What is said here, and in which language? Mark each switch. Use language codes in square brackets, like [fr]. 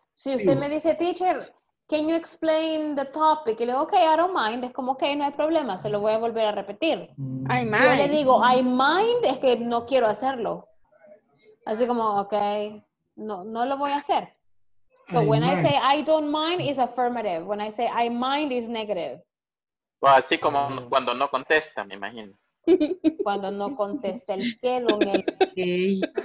[es] Si usted me dice, [en] teacher, can you explain the topic? [es] Y le digo, [en] okay, I don't mind. [es] Es como, okay, no hay problema. Se lo voy a volver a repetir. [en] I mind. [es] Si yo le digo, [en] I mind, [es] es que no quiero hacerlo. Así como, okay, no lo voy a hacer. [en] So when I say I don't mind, it's affirmative. When I say I mind, it's negative. [es] Well, así como cuando no contesta, me imagino. Cuando no contesta el qué, don el qué.